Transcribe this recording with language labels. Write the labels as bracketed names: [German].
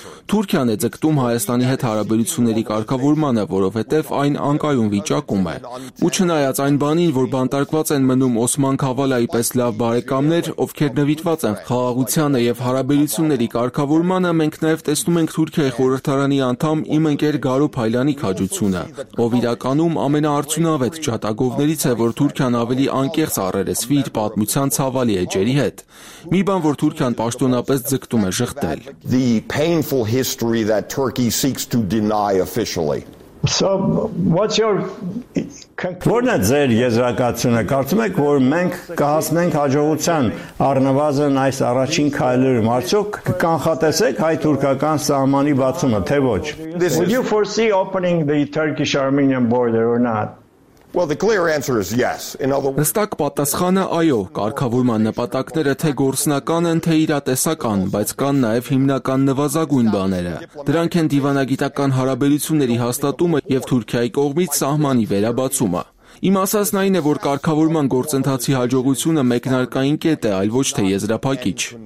[Armenian] Թուրքիան է ձգտում Հայաստանի հետ հարաբերությունների կարգավորմանը, որովհետև այն անկայուն վիճակում է։ Ու չնայած այն բանին, որ բանտարկված են մնում Օսման Քավալայի պես լավ բարեկամներ, ովքեր նվիրված են խաղաղությանը եւ հարաբերությունների կարգավորմանը, մենք նաեւ տեսնում ենք Թուրքիայի խորհրդարանի անդամ իմ ընկեր Գարու Փայլանի քաջությունը, ով իրականում ամենաարդյունավետ ճատագովներից է, որ Թուրքիան ավելի անկեղծ առել է իր պատմության ցավալի էջերի հետ։ Մի բան, որ Թուրքիան պաշտոնապես ձգտում է շղթել։ [English] History that Turkey seeks to deny officially. So, what's your [Armenian] Որն է ձեր եզրակացությունը, կարծում եք, որ մենք կհասնենք հաջողության առնվազն այս առաջին քայլերում, արդյոք կկանխատեսեք հայ-թուրքական սահմանի բացումը, թե ոչ? [English] Would you foresee opening the Turkish-Armenian border or not? Well, the clear answer is yes. [Armenian] Հստակ պատասխանը այո, կարգավորման նպատակները թե գործնական են, թե իրատեսական, բայց կան նաև հիմնական նվազագույն բաները։ Դրանք են դիվանագիտական հարաբերությունների հաստատումը և Թուրքիայի կողմից սահմանի վերաբացումը։ Իմ ասածն այն է, որ կարգավորման գործընթացի հաջողությունը մեկնարկային կետ է, այլ ոչ թե եզրափակիչ։